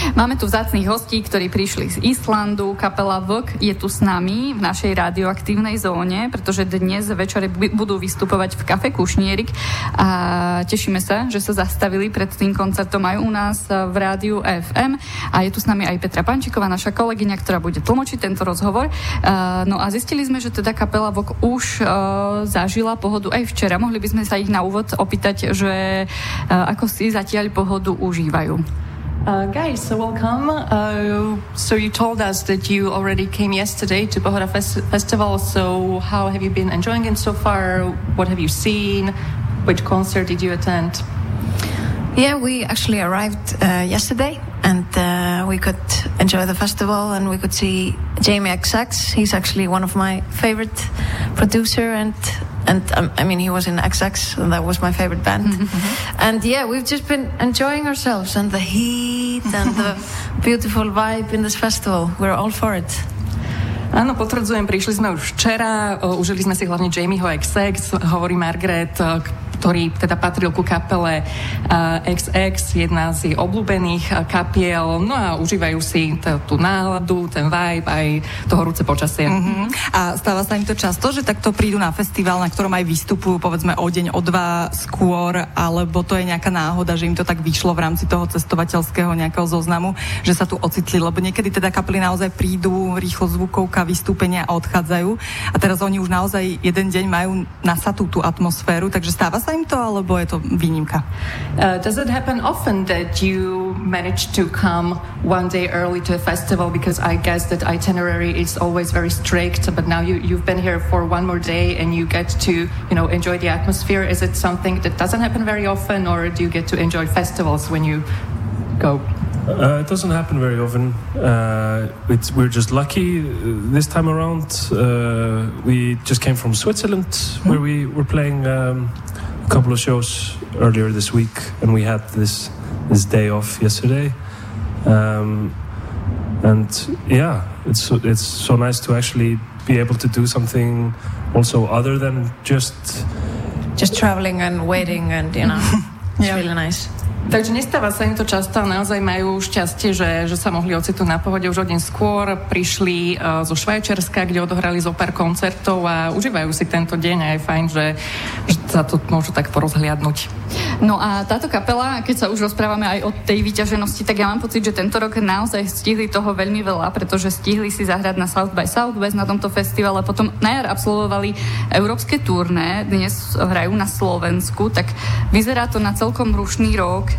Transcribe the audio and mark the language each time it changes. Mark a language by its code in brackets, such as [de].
[sk] Máme tu vzácnych hostí, ktorí prišli z Islandu. Kapela Vlk je tu s nami v našej radioaktívnej zóne, pretože dnes večer budú vystupovať v kafe Kušnierik a tešíme sa, že sa zastavili pred tým koncertom aj u nás v rádiu FM a je tu s nami aj Petra Pančíková, naša kolegyňa, ktorá bude tlmočiť tento rozhovor. No a zistili sme, že teda kapela Vok už zažila pohodu aj včera. Mohli by sme sa ich na úvod opýtať, že ako si zatiaľ pohodu užívajú. [en] Guys, so welcome. So you told us that you already came yesterday to Pohoda Festival. So how have you been enjoying it so far? What have you seen? Which concert did you attend? Yeah, we actually arrived yesterday and we could enjoy the festival and we could see Jamie XX. He's actually one of my favorite producer and he was in XX and that was my favorite band. And yeah, we've just been enjoying ourselves and the heat and the beautiful vibe in this festival. We're all for it. [sk] Áno, potvrdzujem, prišli sme už včera, užili sme si hlavne Jamieho XX, hovorí Margaret, ktorý teda patril ku kapele XX, jedna z obľúbených kapiel, no a užívajú si tú náladu, ten vibe, aj to horúce počasie. Mm-hmm. A stáva sa im to často, že takto prídu na festival, na ktorom aj vystupujú, povedzme, o deň, o dva skôr, alebo to je nejaká náhoda, že im to tak vyšlo v rámci toho cestovateľského nejakého zoznamu, že sa tu ocitli, lebo niekedy teda kapely naozaj prídu, rýchlo zvukovka, vystúpenia a odchádzajú. A teraz oni už naozaj jeden deň majú nasatú tú atmosféru, takže stáva same to, alebo je to výnimka? [en] Does it happen often that you manage to come one day early to a festival? Because I guess that itinerary is always very strict, but now you've been here for one more day and you get to, you know, enjoy the atmosphere. Is it something that doesn't happen very often, or do you get to enjoy festivals when you go? It doesn't happen very often. We're just lucky this time around. We just came from Switzerland, where we were playing a couple of shows earlier this week, and we had this day off yesterday. And yeah, it's so nice to actually be able to do something also other than just traveling and waiting, and you know, it's really nice. [sk] Takže nestáva sa im to často, ale naozaj majú šťastie, že sa mohli ocitnúť na pohode už o deň skôr. Prišli zo Švajčiarska, kde odohrali zo pár koncertov a užívajú si tento deň a je fajn, že sa to môžu tak porozhliadnúť. No a táto kapela, keď sa už rozprávame aj o tej vyťaženosti, tak ja mám pocit, že tento rok naozaj stihli toho veľmi veľa, pretože stihli si zahrať na South by Southwest na tomto festivale, potom na jar absolvovali európske turné, dnes hrajú na Slovensku, tak vyzerá to na celkom rušný rok.